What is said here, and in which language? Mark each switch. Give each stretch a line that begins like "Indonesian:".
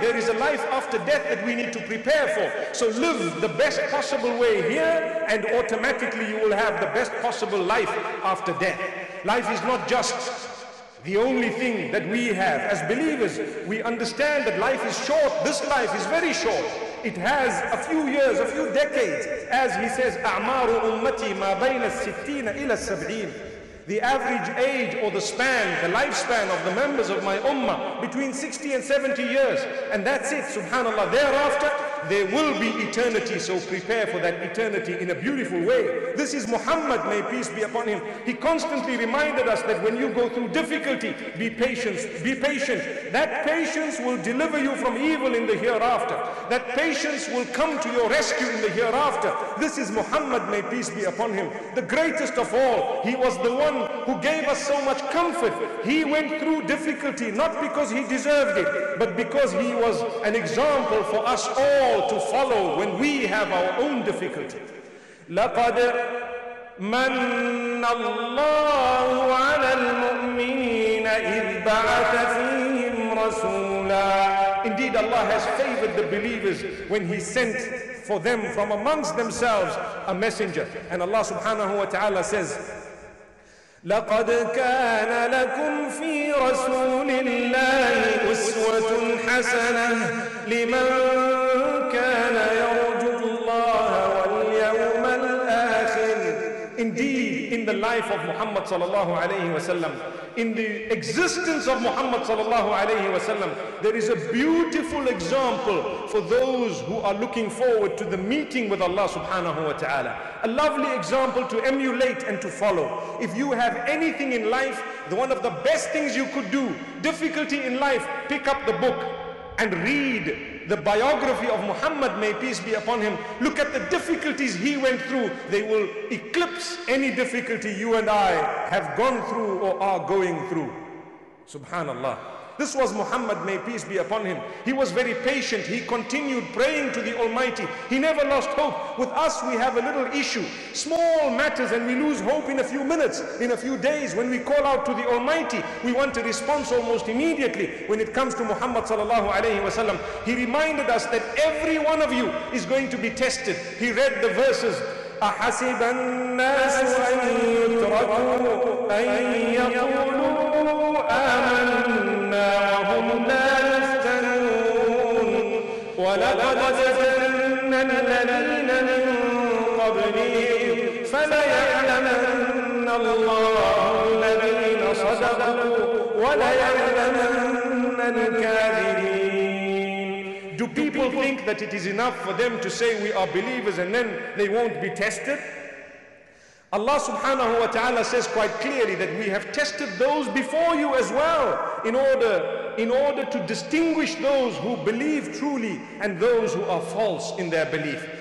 English: There is a life after death that we need to prepare for. So live the best possible way here, and automatically you will have the best possible life after death. Life is not just the only thing that we have. As believers, we understand that life is short. This life is very short. It has a few years, a few decades. As he says,
Arabic: أَعْمَارُ أُمَّتِي مَا بَيْنَ السِّتِّينَ إِلَى السَّبْعِينَ.
English: The average age, or the span, the lifespan of the members of my ummah, between 60 and 70 years. And that's it, subhanAllah. Thereafter, there will be eternity. So prepare for that eternity in a beautiful way. This is Muhammad, may peace be upon him. He constantly reminded us that when you go through difficulty, be patient, be patient. That patience will deliver you from evil in the hereafter. That patience will come to your rescue in the hereafter. This is Muhammad, may peace be upon him. The greatest of all, he was the one who gave us so much comfort. He went through difficulty, not because he deserved it, but because he was an example for us all to follow when we have our own difficulty.
Arabic: لقد من الله على المؤمنين إذ بعث فيهم رسولا.
English: Indeed, Allah has favored the believers when He sent for them from amongst themselves a messenger. And Allah subhanahu wa ta'ala says,
Arabic: لقد كان لكم في رسول الله أسوة حسنة لمن كان يرجو الله واليوم الآخر.
English: Indeed, in the life of Muhammad sallallahu alayhi wa sallam, in the existence of Muhammad sallallahu alayhi wa sallam, there is a beautiful example for those who are looking forward to the meeting with Allah subhanahu wa ta'ala. A lovely example to emulate and to follow. If you have anything in life, one of the best things you could do, difficulty in life, pick up the book and read the biography of Muhammad, may peace be upon him. Look at the difficulties he went through. They will eclipse any difficulty you and I have gone through or are going through. Subhanallah. This was Muhammad, may peace be upon him. He was very patient. He continued praying to the Almighty. He never lost hope. With us, we have a little issue. Small matters, and we lose hope in a few minutes, in a few days. When we call out to the Almighty, we want a response almost immediately. When it comes to Muhammad sallallahu alayhi wa sallam, he reminded us that every one of you is going to be tested. He read the verses.
Arabic: أحسب الناس أن يتركوا أن يقولوا آمنا وهم لا يفتنون ولقد فتنا الذين من قبلهم فليعلمن الله الذين صدقوا وليعلمن الكاذبين.
English: Do people think that it is enough for them to say we are believers and then they won't be tested? Allah subhanahu wa ta'ala says quite clearly that we have tested those before you as well in order to distinguish those who believe truly and those who are false in their belief.